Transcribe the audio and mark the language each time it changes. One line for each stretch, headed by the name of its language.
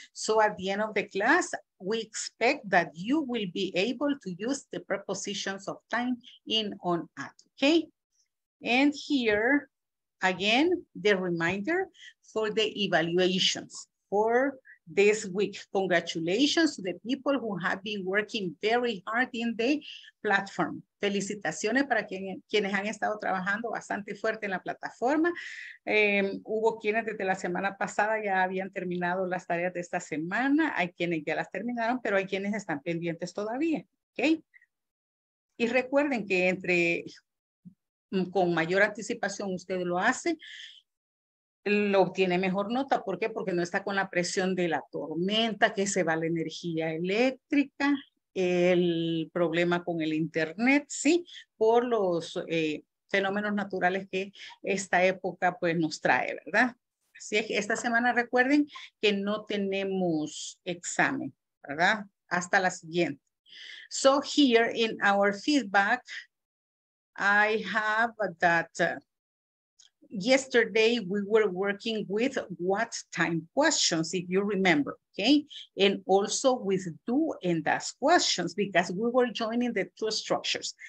English: So at the end of the class, we expect that you will be able to use the prepositions of time in, on, at, okay? And here, again, the reminder for the evaluations for this week. Congratulations to the people who have been working very hard in the platform.
Spanish: Felicitaciones para quienes han estado trabajando bastante fuerte en la plataforma. Hubo quienes desde la semana pasada ya habían terminado las tareas de esta semana. Hay quienes ya las terminaron, pero hay quienes están pendientes todavía. ¿Okay? Y recuerden que entre con mayor anticipación usted lo hace, lo tiene mejor nota. ¿Por qué? Porque no está con la presión de la tormenta, que se va la energía eléctrica, el problema con el internet, ¿sí? Por los fenómenos naturales que esta época pues nos trae, ¿verdad? Así es, esta semana recuerden que no tenemos examen, ¿verdad? Hasta la siguiente.
English: So here in our feedback, I have that yesterday we were working with what time questions, if you remember, okay? And also with do and does questions because we were joining the two structures.